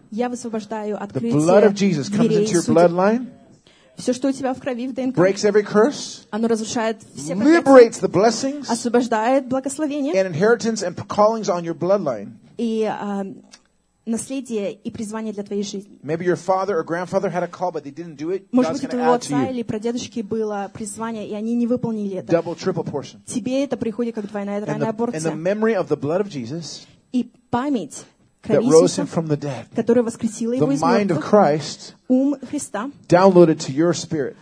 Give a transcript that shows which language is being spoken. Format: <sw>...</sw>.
<ru>Я высвобождаю открытие</ru> <en>дверей. The blood of Jesus comes into your bloodline.</en> <ru>Все, что у тебя в крови, в ДНК.</ru> <en>Breaks every curse.</en> <ru>Оно разрушает все проклятия.</ru> <en>Liberates the blessings.</en> <ru>Освобождает благословения.</ru> <en>And inheritance and callings on your bloodline.</en> <ru>И наследие и призвание для твоей жизни.</ru> <en>Maybe your father or grandfather had a call, but they didn't do it.</en> <ru>Может быть, у твоего отца или прадедушки было призвание, и они не выполнили это.</ru> <en>Double, triple portion.</en> <ru>Тебе это приходит как двойная, тройная порция.</ru> <en>And the memory of the blood of Jesus.</en> <ru>И память.</ru> <en>That rose him from the dead.</en> <ru>Который воскресил его из мертвых.</ru> <en>The mind of Christ.</en> <ru>Ум Христа.</ru> <en>Downloaded to your spirit.</en>